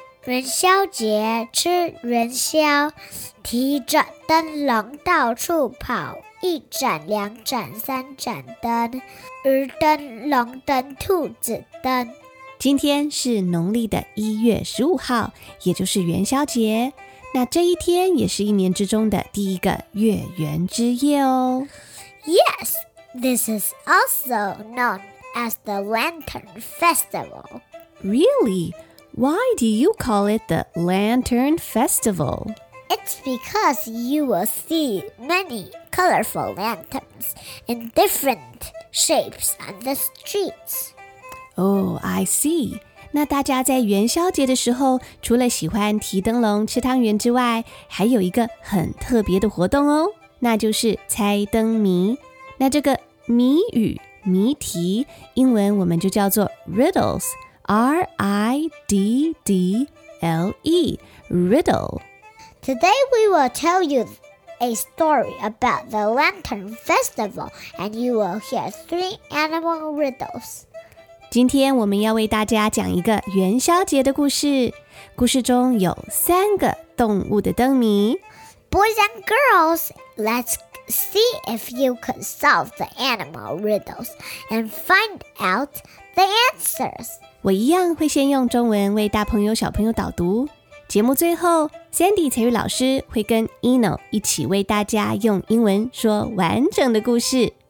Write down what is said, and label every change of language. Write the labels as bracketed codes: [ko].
[zh] 元宵节吃元宵，提着灯笼到处跑，一盏两盏三盏灯，鱼灯龙灯兔子灯。今天是农历的一月十五号，也就是元宵节。那这一天也是一年之中的第一个月圆之夜哦。 [en] Yes, this is also known as the Lantern Festival. Really? Why do you call it the Lantern Festival? It's because you will see many colorful lanterns in different shapes on the streets. Oh, I see. [zh] 那大家在元宵节的时候，除了喜欢提灯笼、吃汤圆之外，还有一个很特别的活动哦。那就是猜灯谜，那这个谜语、谜题，英文我们就叫做 riddles, R-I-D-D-L-E, riddle. [en] Today we will tell you a story about the Lantern Festival, and you will hear three animal riddles. [zh] 今天我们要为大家讲一个元宵节的故事，故事中有三个动物的灯谜。 [en] Boys and girls, let's see if you can solve the animal riddles and find out the answers. [zh] 我一样会先用中文为大朋友小朋友导读。节目最后 ,Sandy 彩玉老师会跟 Eno 一起为大家用英文说完整的故事。